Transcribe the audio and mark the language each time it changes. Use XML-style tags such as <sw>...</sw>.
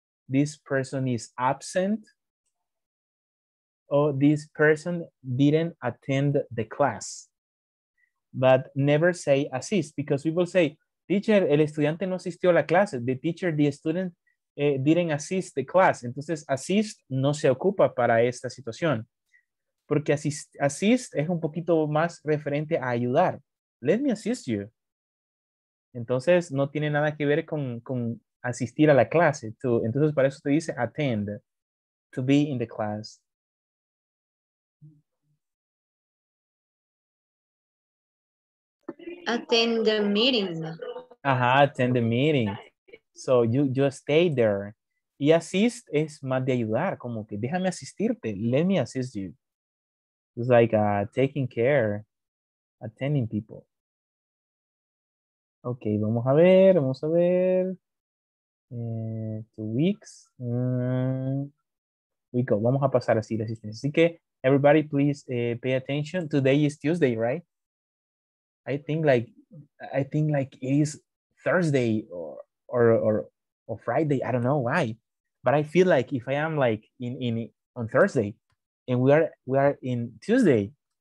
<en>This person is absent. Or this person didn't attend the class. But never say assist, because people say, teacher,</en> <es>el estudiante no asistió a la clase.</es> <en>The teacher, the student didn't assist the class.</en> <es>Entonces, assist no se ocupa para esta situación. Porque assist es un poquito más referente a ayudar.</es> <en>Let me assist you.</en> <es>Entonces, no tiene nada que ver con asistir a la clase. Entonces, para eso te dice</es> <en>attend, to be in the class. Attend the meeting. Ajá, attend the meeting. So, you stay there.</en> <es>Y assist es más de ayudar, como que déjame asistirte.</es> <en>Let me assist you. It's like taking care, attending people.</en> <es>Okay, vamos a ver.</es> <en>2 weeks. We go,</en> <es>vamos a pasar así la asistencia. Así que,</es> <en>everybody please pay attention. Today is Tuesday, right? I think like it is Thursday or Friday. I don't know why, but I feel like if I am like in on Thursday, and we are in Tuesday.</en>